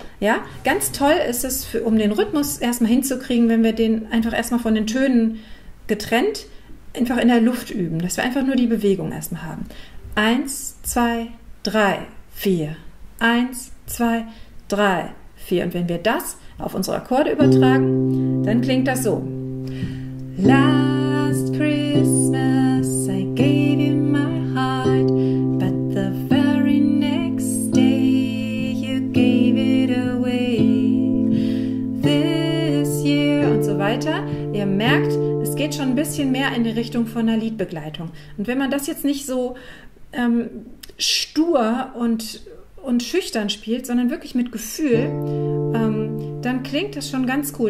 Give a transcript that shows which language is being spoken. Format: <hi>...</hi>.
<de>Ja, ganz toll ist es, um den Rhythmus erstmal hinzukriegen, wenn wir den einfach erstmal von den Tönen getrennt einfach in der Luft üben, dass wir einfach nur die Bewegung erstmal haben. 1, 2, 3, 4. 1, 2, 3, 4. Und wenn wir das auf unsere Akkorde übertragen, dann klingt das so.</de> <en>Last Christmas I gave you my heart, but the very next day you gave it away. This year.</en> <de>Und so weiter. Ihr merkt, es geht schon ein bisschen mehr in die Richtung von einer Liedbegleitung. Und wenn man das jetzt nicht so stur und schüchtern spielt, sondern wirklich mit Gefühl, dann klingt das schon ganz cool.</de>